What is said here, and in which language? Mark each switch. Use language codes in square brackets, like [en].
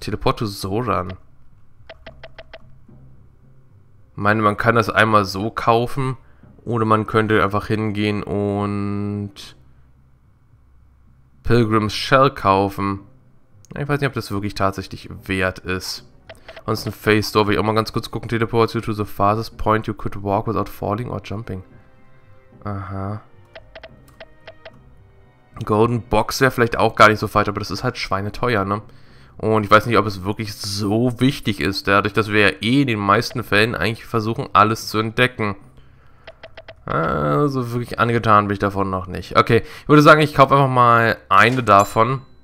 [en] Teleport to Zoran. [de] Ich meine, man kann das einmal so kaufen. Oder man könnte einfach hingehen und Pilgrim's Shell kaufen. Ich weiß nicht, ob das wirklich tatsächlich wert ist. Und es ist ein Face Store, will ich auch mal ganz kurz gucken. [en] Teleport you to the farthest point you could walk without falling or jumping. Aha. [de] Golden Box wäre vielleicht auch gar nicht so falsch, aber das ist halt schweineteuer, ne? Und ich weiß nicht, ob es wirklich so wichtig ist, dadurch, dass wir ja eh in den meisten Fällen eigentlich versuchen, alles zu entdecken. Also wirklich angetan bin ich davon noch nicht. Okay, ich würde sagen, ich kaufe einfach mal eine davon.